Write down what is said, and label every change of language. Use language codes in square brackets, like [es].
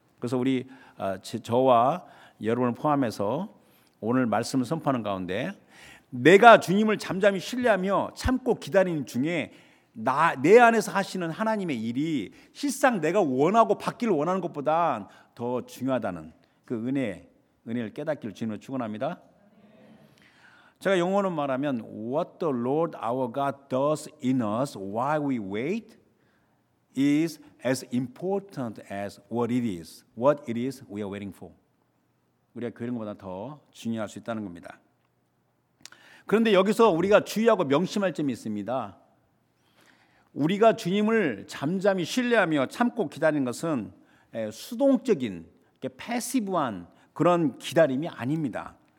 [ko] 그래서 우리 저와 여러분을 포함해서 오늘 말씀을 선포하는 가운데 내가 주님을 잠잠히 신뢰하며 참고 기다리는 중에 내 안에서 하시는 하나님의 일이 실상 내가 원하고 받기를 원하는 것보다 더 중요하다는 그 은혜를 깨닫기를 주님을 축원합니다. 제가 영어로 말하면 [en] What the Lord our God does in us while we wait is as important as what it is. What it is we are waiting for. [ko] 우리가 그런 것보다 더 중요할 수 있다는 겁니다. 그런데 여기서 우리가 주의하고 명심할 점이 있습니다. 우리가 주님을 잠잠히 신뢰하며 참고 기다리는 것은 수동적인, 패시브한 그런 기다림이 아닙니다.